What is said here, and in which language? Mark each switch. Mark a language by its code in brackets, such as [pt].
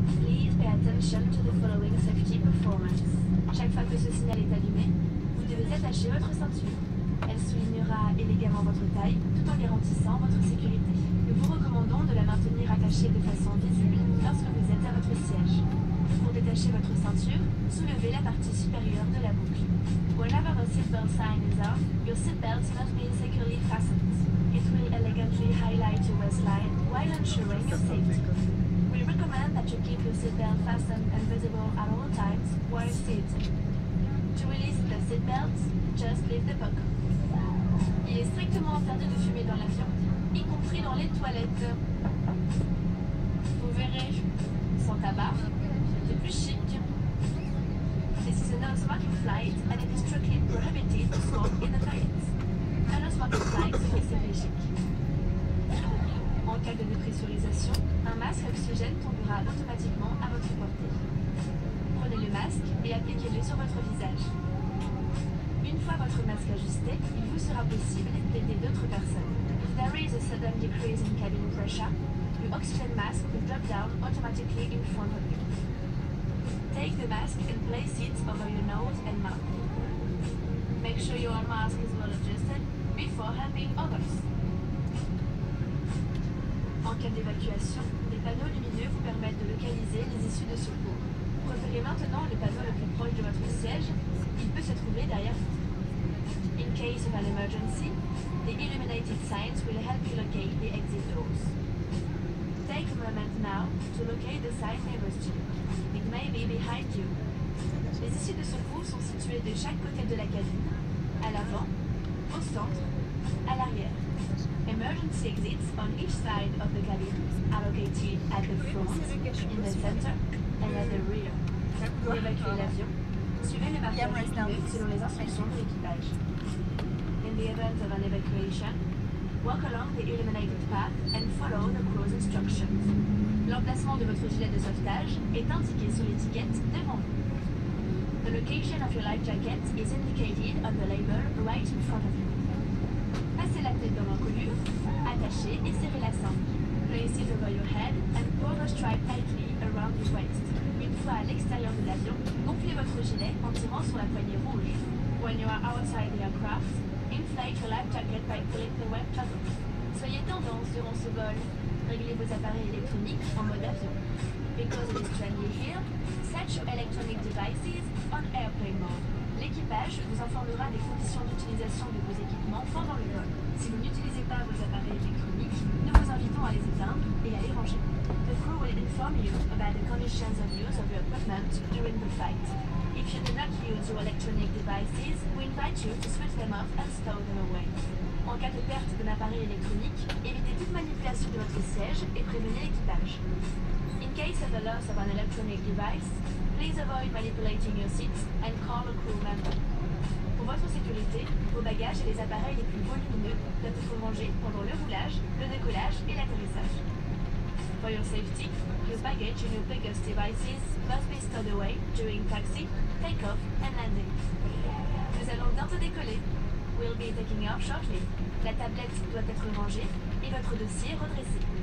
[en] Please pay attention to the following safety performance. [fr] Chaque fois que ce signal est allumé, vous devez attacher votre ceinture. Elle soulignera élégamment votre taille tout en garantissant votre sécurité. Nous vous recommandons de la maintenir attachée de façon visible lorsque vous êtes à votre siège. Pour détacher votre ceinture, soulevez la partie supérieure de la boucle. [en] Whenever a seatbelt sign is off, your seatbelt must be securely fastened. It will elegantly highlight your waistline while ensuring your safety. We recommend that you keep your seatbelt fastened and visible at all times while seated. To release the seatbelt, just lift the buckle. [fr] Il est strictement interdit de fumer dans l'avion, y compris dans les toilettes. Vous verrez, sans tabac, c'est plus chic. [en] This is a non-smoking flight and it is strictly prohibited to smoke in the toilets. A non-smoking flight, [fr] c'est plus chic. En cas de dépressurisation, un masque oxygène tombera automatiquement à votre portée. Prenez le masque et appliquez-le sur votre visage. Une fois votre masque ajusté, il vous sera possible d'aider d'autres personnes. [en] If there is a sudden decrease in cabin pressure, your oxygen mask will drop down automatically in front of you. Take the mask and place it over your nose and mouth. Make sure your mask is well adjusted before helping others. [fr] En cas d'évacuation, des panneaux lumineux vous permettent de localiser les issues de secours. Préférez maintenant le panneau le plus proche de votre siège. Il peut se trouver derrière vous. [en] In case of an emergency, the illuminated signs will help you locate the exit doors. Take a moment now to locate the sign nearest you. It may be behind you. [fr] Les issues de secours sont situées de chaque côté de la cabine, à l'avant, au centre, à l'arrière. [en] Emergency exits on each side of the cabin are located at the front, in the center, and at the rear. [fr] Pour évacuer l'avion, suivez le marquage selon les instructions de l'équipage. [en] In the event of an evacuation, walk along the illuminated path and follow the crew's instructions. [fr] L'emplacement de votre gilet de sauvetage est indiqué sur l'étiquette devant vous. [en] The location of your life jacket is indicated on the label right in front of you. [fr] Passez la tête dans l'encolure, attachez et serrez la ceinture. [en] Place it over your head and pull the strap tightly around your waist. [fr] Une fois à l'extérieur de l'avion, gonflez votre gilet en tirant sur la poignée rouge. [en] When you are outside the aircraft, inflate your life jacket by pulling the web toggle. [fr] Soyez tendance durant ce vol. Réglez vos appareils électroniques en mode avion. [en] Because it is trendy here, set your electronic devices on airplane mode. [fr] L'équipage vous informera des conditions d'utilisation de vos équipements pendant le vol. Si vous n'utilisez pas vos appareils électroniques, nous vous invitons à les éteindre et à les ranger. [en] The crew will inform you about the conditions of use of your equipment during the flight. If you do not use your electronic devices, we invite you to switch them off and stow them away. [fr] En cas de perte d'un appareil électronique, évitez toute manipulation de votre siège et prévenez l'équipage. [en] In case of the loss of an electronic device, please avoid manipulating your seat and call a crew member. [fr] Pour votre sécurité, vos bagages et les appareils les plus volumineux doivent être rangés pendant le roulage, le décollage et l'atterrissage. [en] For your safety, your baggage and your biggest devices must be stowed away during taxi, take-off and landing. [fr] Nous allons bientôt décoller. [en] We'll be taking off shortly. [fr] La tablette doit être rangée et votre dossier redressé.